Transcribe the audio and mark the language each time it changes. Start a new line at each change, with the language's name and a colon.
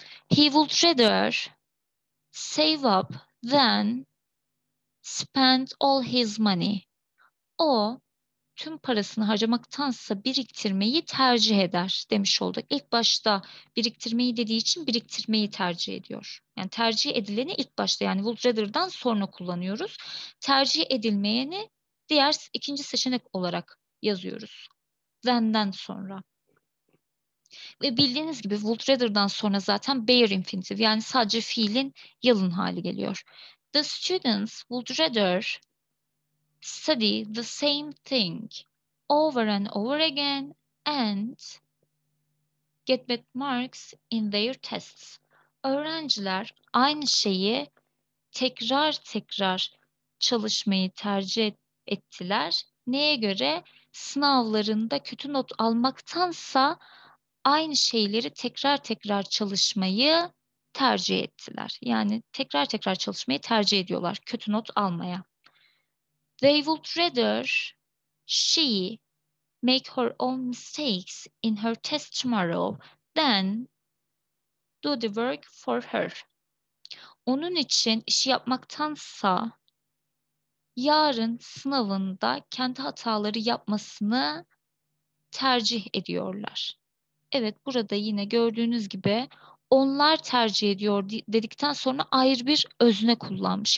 English: He would rather save up than spend all his money.
Turkish: O tüm parasını harcamaktansa biriktirmeyi tercih eder demiş olduk. İlk başta biriktirmeyi dediği için biriktirmeyi tercih ediyor. Yani tercih edileni ilk başta, yani would rather'dan sonra kullanıyoruz. Tercih edilmeyeni diğer ikinci seçenek olarak yazıyoruz. Then'den sonra. Ve bildiğiniz gibi would rather'dan sonra zaten bare infinitive, yani sadece fiilin yalın hali geliyor.
English: The students would rather study the same thing over and over again and get bad marks in their tests.
Turkish: Öğrenciler aynı şeyi tekrar tekrar çalışmayı tercih ettiler. Neye göre? Sınavlarında kötü not almaktansa aynı şeyleri tekrar tekrar çalışmayı tercih ettiler. Yani tekrar tekrar çalışmayı tercih ediyorlar kötü not almaya.
English: They would rather she make her own mistakes in her test tomorrow than do the work for her.
Turkish: Onun için işi yapmaktansa yarın sınavında kendi hataları yapmasını tercih ediyorlar. Evet, burada yine gördüğünüz gibi onlar tercih ediyor dedikten sonra ayrı bir özne kullanmış.